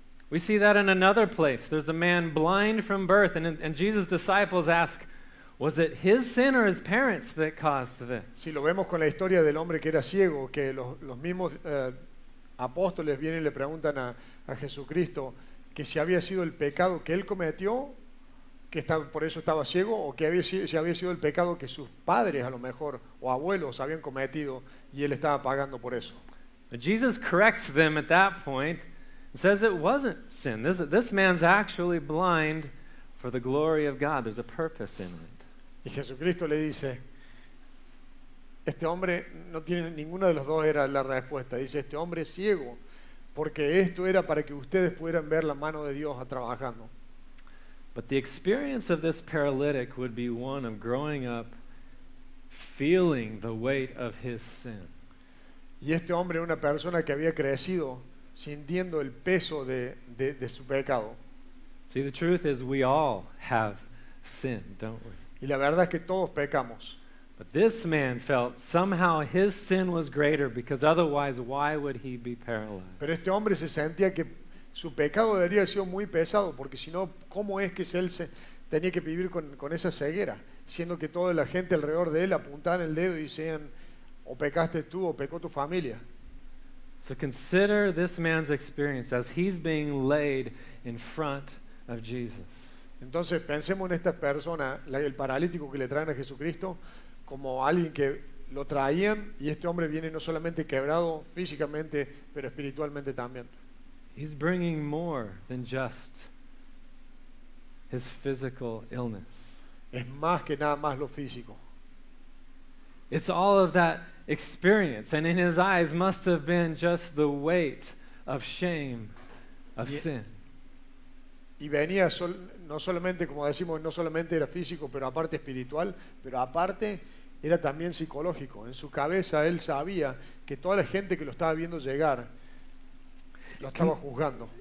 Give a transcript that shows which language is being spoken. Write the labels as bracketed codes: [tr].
[en] We see that in another place. There's a man blind from birth, and Jesus' disciples ask, was it his sin or his parents that caused this? [es] Si lo vemos con la historia del hombre que era ciego, que los mismos apóstoles vienen y le preguntan a Jesucristo que si había sido el pecado que él cometió, que estaba, por eso estaba ciego, o que había, si había sido el pecado que sus padres, a lo mejor, o abuelos habían cometido, y él estaba pagando por eso. [en] But Jesus corrects them at that point, says it wasn't sin. This man's actually blind for the glory of God. There's a purpose in it. [es] Y Jesucristo le dice, este hombre no tiene ninguna de los dos era la respuesta. Dice, este hombre es ciego porque esto era para que ustedes pudieran ver la mano de Dios trabajando. [en] But the experience of this paralytic would be one of growing up feeling the weight of his sin. [es] Y este hombre era una persona que había crecido sintiendo el peso de su pecado. [en] See, the truth is we all have sin, don't we? [es] Y la verdad es que todos pecamos. [en] But this man felt somehow his sin was greater because otherwise why would he be paralyzed? [es] Pero este hombre se sentía que su pecado debería haber sido muy pesado porque si no, ¿cómo es que él tenía que vivir con esa ceguera? Siendo que toda la gente alrededor de él apuntaban el dedo y decían o pecaste tú o pecó tu familia. [en] So consider this man's experience as he's being laid in front of Jesus. [es] Entonces pensemos en esta persona, el paralítico que le traen a Jesucristo, como alguien que lo traían y este hombre viene no solamente quebrado físicamente, pero espiritualmente también. [en] He's bringing more than just his physical illness. [es] Es más que nada más lo físico. [en] It's all of that experience, and in his eyes must have been just the weight of shame of sin. [es] Y venía no solamente, como decimos, no solamente era físico, pero aparte espiritual, pero aparte era también psicológico. En su cabeza él sabía que toda la gente que lo estaba viendo llegar lo estaba juzgando.